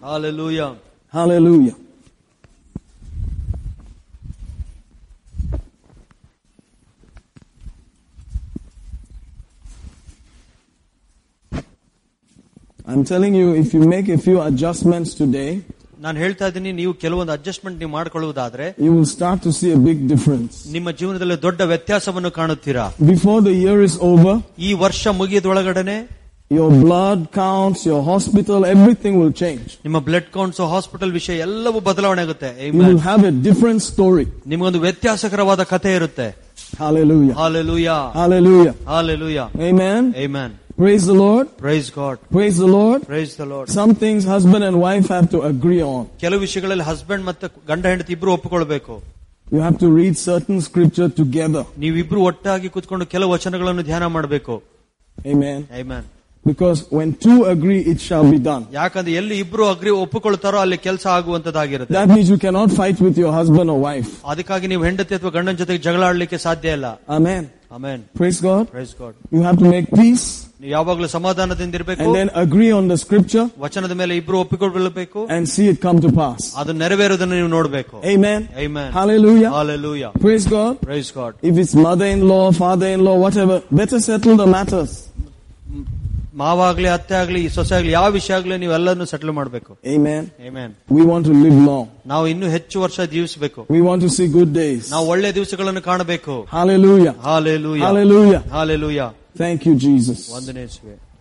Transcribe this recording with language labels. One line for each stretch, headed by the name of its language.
English: Hallelujah. Hallelujah. I'm telling you, if you make a few adjustments today,
Kannada: ನಾನು ಹೇಳ್ತಾ ಇದ್ದೀನಿ, ನೀವು ಕೆಲವೊಂದು ಅಡ್ಜಸ್ಟ್ಮೆಂಟ್ ನೀವು ಮಾಡಿಕೊಳ್ಳುವುದಾದ್ರೆ,
English: You will start to see a big difference.
Kannada: ನಿಮ್ಮ ಜೀವನದಲ್ಲಿ ದೊಡ್ಡ ವ್ಯತ್ಯಾಸವನ್ನು ಕಾಣುತ್ತೀರಾ.
English: before the year is over,
Kannada: ಈ ವರ್ಷ ಮುಗಿದೊಳಗಡೆ,
English: Your blood counts, your hospital, everything will change.
Kannada: ನಿಮ್ಮ ಬ್ಲಡ್ ಕೌಂಟ್ಸ್, ಹಾಸ್ಪಿಟಲ್ ವಿಷಯ ಎಲ್ಲವೂ ಬದಲಾವಣೆ ಆಗುತ್ತೆ.
English: You will have a different story.
Kannada: ನಿಮಗೊಂದು ವ್ಯತ್ಯಾಸಕರವಾದ ಕಥೆ ಇರುತ್ತೆ.
English: Hallelujah, hallelujah, hallelujah, hallelujah. Amen, amen. Praise the Lord. Praise God. Praise the Lord. Praise the Lord. Some things husband and wife have to agree on.
Kannada: ಕೆಲವು ವಿಷಯಗಳಲ್ಲಿ husband ಮತ್ತು ಗಂಡ ಹೆಂಡತಿ ಇಬ್ಬರು ಒಪ್ಪಿಕೊಳ್ಬೇಕು.
English: You have to read certain scripture together.
Kannada: ನೀವಿಬ್ರು ಒಟ್ಟಾಗಿ ಕೂತ್ಕೊಂಡು ಕೆಲವು ವಚನಗಳನ್ನು ಧ್ಯಾನ ಮಾಡಬೇಕು.
English: Amen. Amen. Because when two agree, it shall be done.
Kannada: ಯಾಕಂದ್ರೆ ಎಲ್ಲಿ ಇಬ್ರು ಅಗ್ರಿ ಒಪ್ಪಿಕೊಳ್ತಾರೋ ಅಲ್ಲಿ ಕೆಲಸ ಆಗುವಂತದಾಗಿರುತ್ತೆ.
English: That means you cannot fight with your husband or wife.
Kannada: ಅದಕ್ಕಾಗಿ ನೀವು ಹೆಂಡತಿ ಅಥವಾ ಗಂಡನ ಜೊತೆ ಜಗಳ ಆಡ್ಲಿಕ್ಕೆ ಸಾಧ್ಯ ಇಲ್ಲ.
English: Amen. Amen. Praise God. Praise God. You have to make peace.
Kannada: ನೀವು ಯಾವಾಗಲೂ ಸಮಾಧಾನದಿಂದ ಇರಬೇಕು.
English: And then agree on the scripture.
Kannada: ವಚನದ ಮೇಲೆ ಇಬ್ರು ಒಪ್ಪಿಕೊಳ್ಳಬೇಕು.
English: And see it come to pass.
Kannada: ಅದು ನೆರವೇರುವುದನ್ನು ನೀವು ನೋಡಬೇಕು.
English: Amen. Amen. Hallelujah. Hallelujah. Praise God. Praise God. If it's mother-in-law, father-in-law, whatever, better settle the matters.
Kannada: ಮಾವಾಗ್ಲಿ, ಅತ್ತೆ ಆಗ್ಲಿ, ಸೊಸೆ ಆಗ್ಲಿ, ಯಾವ ವಿಷಯ ಆಗ್ಲಿ, ನೀವು ಎಲ್ಲರನ್ನು ಸೆಟಲ್ ಮಾಡಬೇಕು.
English: Amen, amen. We want to live long.
Kannada: ನಾವು ಇನ್ನೂ ಹೆಚ್ಚು ವರ್ಷ ಜೀವಿಸಬೇಕು.
English: We want to see good days.
Kannada: ನಾವು ಒಳ್ಳೆ ದಿವಸಗಳನ್ನು ಕಾಣಬೇಕು.
English: Hallelujah, hallelujah, hallelujah, hallelujah. Thank you Jesus.
Kannada: ವಂದನೆ ಯೇಸುವೆ.